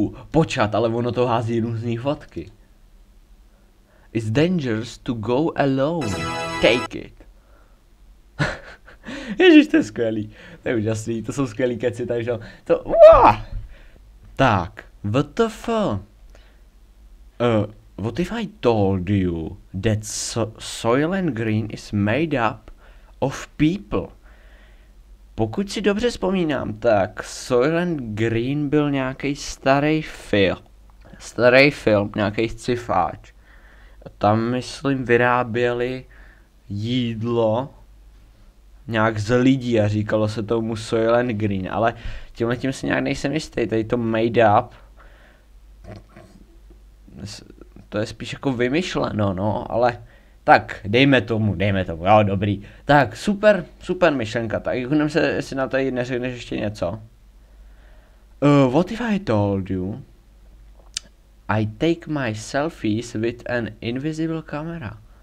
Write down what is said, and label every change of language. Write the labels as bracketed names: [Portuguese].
[Czech] Počat, ale ono to hází různý fotky. [English] It's dangerous to go alone. Take it. [Czech] Ježiš, to je skvělý. To je úžasný, to jsou skvělý keci, takže to... Tak, [English] what the fuck? What if I told you that Soylent Green is made up of people? [Czech] Pokud si dobře vzpomínám, tak Soylent Green byl nějaký starý film. Starý film, nějaký scifáč. Tam, myslím, vyráběli jídlo nějak z lidí a říkalo se tomu Soylent Green, ale tímhle tím si nějak nejsem jistý, tady to [English] made up. [Czech] To je spíš jako vymyšleno, no, ale tak, dejme tomu, jo, dobrý. Tak, super, super myšlenka, tak jenom se, jestli na to neřekneš ještě něco. [English] What if I told you, I take my selfies with an invisible camera?